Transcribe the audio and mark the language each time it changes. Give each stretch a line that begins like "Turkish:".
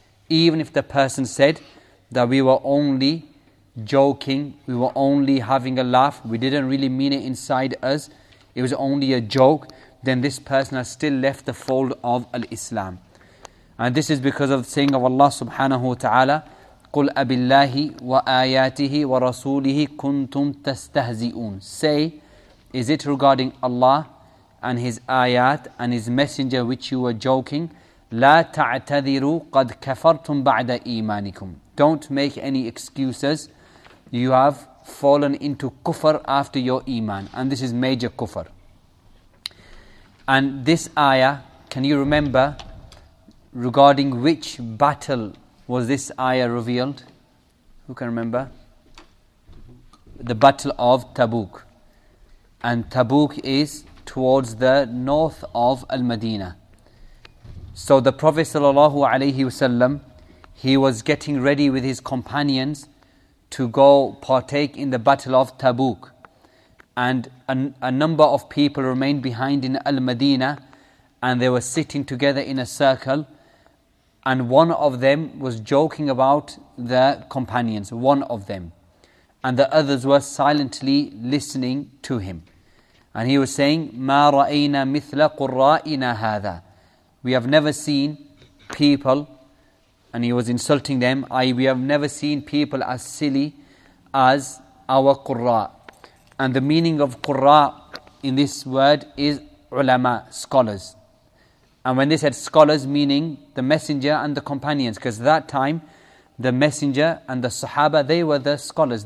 English: Even if the person said that we were only joking, we were only having a laugh, we didn't really mean it inside us, it was only a joke, then this person has still left the fold of Al-Islam. And this is because of the saying of Allah subhanahu wa ta'ala,
Arabic: قُلْ أَبِاللَّهِ وَآيَاتِهِ وَرَسُولِهِ كُنْتُمْ تَسْتَهْزِئُونَ.
English: Say, is it regarding Allah and His ayat and His messenger which you were joking?
Arabic: لا تعتذروا قد كفرتم بعد إيمانكم.
English: Don't make any excuses. You have fallen into kufr after your iman, and this is major kufr. And this ayah, can you remember regarding which battle was this ayah revealed? Who can remember? The battle of Tabuk. And Tabuk is towards the north of Al-Madinah. So the Prophet sallallahu alaihi wasallam, he was getting ready with his companions to go partake in the battle of Tabuk. And a number of people remained behind in Al-Madinah, and they were sitting together in a circle, and one of them was joking about the companions, one of them. And the others were silently listening to him. And he was saying,
Arabic: مَا رَأَيْنَا مِثْلَ قُرَّائِنَا هَذَا.
English: We have never seen people, and he was insulting them, we have never seen people as silly as our qurra. And the meaning of qurra in this word is ulama, scholars. And when they said scholars, meaning the messenger and the companions, because at that time, the messenger and the sahaba, they were the scholars.